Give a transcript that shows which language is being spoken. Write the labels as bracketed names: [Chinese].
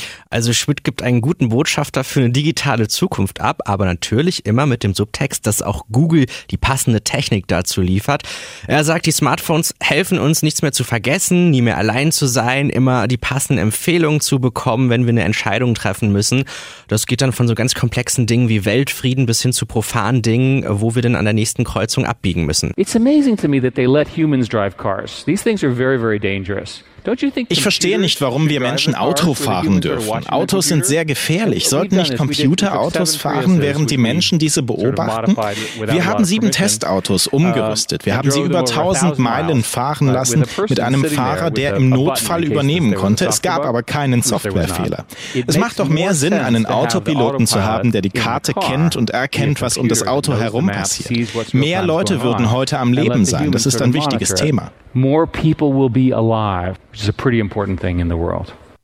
[German] Also Schmidt gibt einen guten Botschafter für eine digitale Zukunft ab, aber natürlich immer mit dem Subtext, dass auch Google die passende Technik dazu liefert. Er sagt, die Smartphones helfen uns, nichts mehr zu vergessen, nie mehr allein zu sein, immer die passenden Empfehlungen zu bekommen, wenn wir eine Entscheidung treffen müssen. Das geht dann von so ganz komplexen Dingen wie Weltfrieden bis hin zu profanen Dingen, wo wir dann an der nächsten Kreuzung abbiegen müssen. [English] It's amazing to me that they let humans drive cars. These things are very, very dangerous. [German] Ich verstehe nicht, warum wir Menschen Auto fahren dürfen. Autos sind sehr gefährlich. Sollten nicht Computer Autos fahren, während die Menschen diese beobachten? Wir haben 7 Testautos umgerüstet. Wir haben sie über 1000 Meilen fahren lassen mit einem Fahrer, der im Notfall übernehmen konnte. Es gab aber keinen Softwarefehler. Es macht doch mehr Sinn, einen Autopiloten zu haben, der die Karte kennt und erkennt, was um das Auto herum passiert. Mehr Leute würden heute am Leben sein. Das ist ein wichtiges Thema. [English] More people will be alive, which is a pretty important thing in the world.